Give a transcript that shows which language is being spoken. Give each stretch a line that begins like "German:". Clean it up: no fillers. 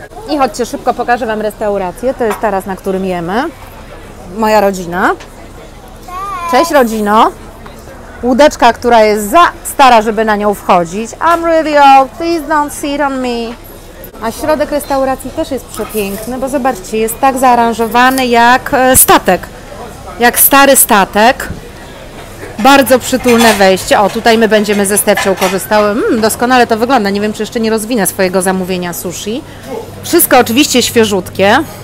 Polish: I chodźcie, szybko pokażę Wam restaurację, to jest taras, na którym jemy. Moja rodzina. Cześć rodzino! Łódeczka, która jest za stara, żeby na nią wchodzić.
English: I'm really old, please don't sit on me.
Polish: A środek restauracji też jest przepiękny, bo zobaczcie, jest tak zaaranżowany jak statek. Jak stary statek. Bardzo przytulne wejście. O, tutaj my będziemy ze Stefcią korzystały. Doskonale to wygląda. Nie wiem, czy jeszcze nie rozwinę swojego zamówienia sushi. Wszystko oczywiście świeżutkie.